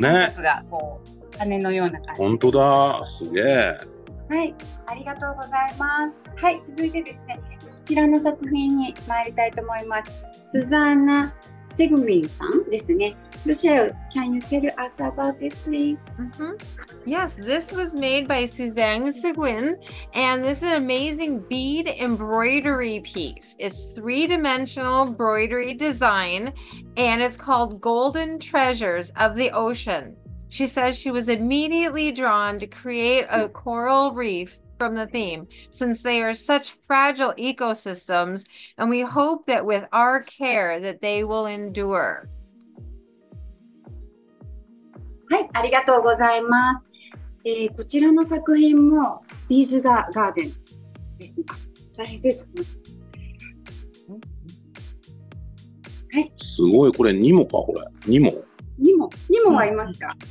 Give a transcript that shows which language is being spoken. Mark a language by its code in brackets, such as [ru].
[ja] ね、がこう羽のような感じ。本当だ、すげえ。はい、ありがとうございます。はい、続いてですね、こちらの作品に参りたいと思います。スザンナ・セグミンさんですね。 [en] ロシア、can you tell us about this please? Yes, this was made by Suzanne Seguin, and this is an amazing bead embroidery piece. It's three-dimensional embroidery design, and it's called Golden Treasures of the Ocean. She says she was immediately drawn to create a coral reef from the theme, since they are such fragile ecosystems, and we hope that with our care that they will endure. [ja] はい、ありがとうございます。こちらの作品もビーズザガーデンですね。大変制作です。はい。すごい、これニモか、これニモ。ニモ、ニモはいますか。